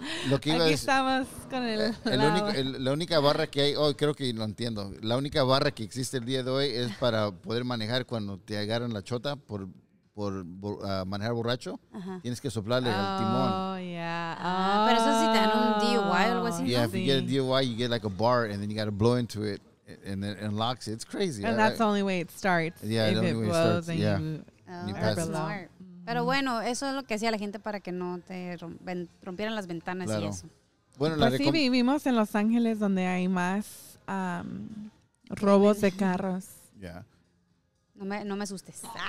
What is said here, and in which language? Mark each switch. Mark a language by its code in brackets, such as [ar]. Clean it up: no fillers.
[es] Lo que iba aquí es, estamos con el único, la única barra que hay, oh, creo que lo entiendo, la única barra que existe el día de hoy es para poder manejar cuando te agarran la chota por por manejar borracho, ajá, tienes que soplarle al timón. [en] Oh, yeah. Oh. [es] Pero eso sí te dan un DUI o algo así. [en] Yeah, if you get a DUI, you get like a bar and then you got to blow into it and it unlocks it. It's crazy. And that's the only way it starts. Yeah, the only way it starts. Yeah. You pass it. [es] Pero bueno, eso es lo que hacía la gente para que no te rompieran las ventanas, claro, y eso. Bueno, pues sí, vivimos en Los Ángeles donde hay más robos de carros. [en] Yeah. [es] No me asustes.